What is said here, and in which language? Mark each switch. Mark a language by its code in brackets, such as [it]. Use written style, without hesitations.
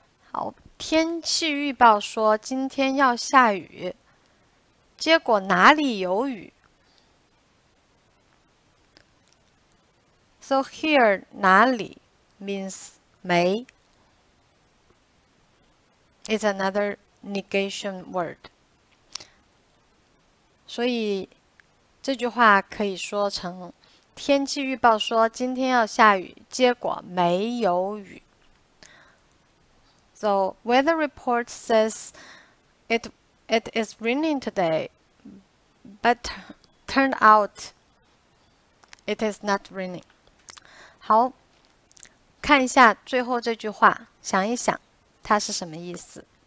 [zh] 好，天气预报说今天要下雨，结果哪里有雨？ [en] So here [zh] 哪里 [en] means [zh] 没？ [en] It's another negation word。 [zh] 所以这句话可以说成：天气预报说今天要下雨，结果没有雨。 [en] So, weather report says it is raining today, but turned out it is not raining. [zh] 好，看一下最后这句话，想一想，它是什么意思？